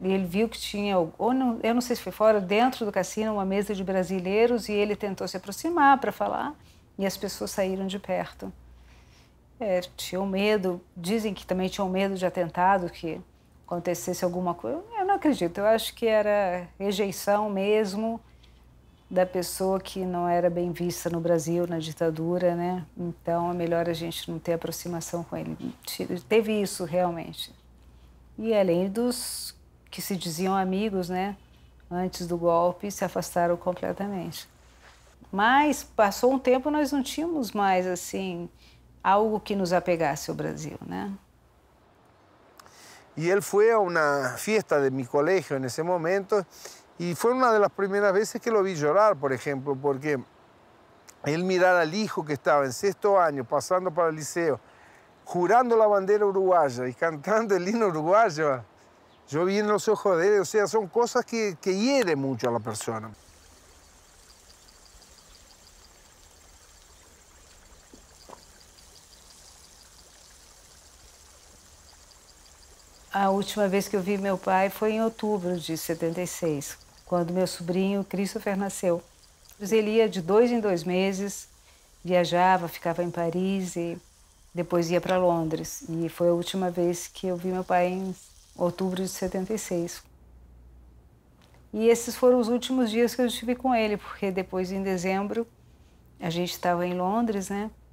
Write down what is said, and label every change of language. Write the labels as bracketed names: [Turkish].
[Spanish] Y él vio que tenía, no sé si fue fuera, dentro del casino, una mesa de brasileiros y él intentó se aproximar para hablar y las personas salieron [Portuguese] de perto. [Spanish] Tenía miedo, dicen que también tenía miedo de atentado, que acontecesse alguna cosa. Yo no [Portuguese] acredito, yo acho que era rejeição mesmo da pessoa que não era bem vista no Brasil, na ditadura, né? Então, é melhor a gente não ter aproximação com ele. Teve isso, realmente. E além dos que se diziam amigos, né? Antes do golpe, se afastaram completamente. Mas, passou um tempo, nós não tínhamos mais, assim, algo que nos apegasse ao Brasil, né? E ele foi a uma festa de meu colégio, nesse momento, [Spanish] y fue una de las primeras veces que lo vi llorar, por ejemplo, porque él mirar al hijo que estaba en sexto año pasando para el liceo, jurando la bandera uruguaya y cantando el himno uruguayo, yo vi en los ojos de él, o sea, son cosas que hieren mucho a la persona. La última vez que vi a mi padre fue en octubre de 76. [Portuguese] Quando meu sobrinho Christopher nasceu. Ele ia de dois em dois meses, viajava, ficava em Paris e depois ia para Londres. E foi a última vez que eu vi meu pai em outubro de 76. E esses foram os últimos dias que eu estive com ele, porque depois, em dezembro, a gente estava em Londres, né?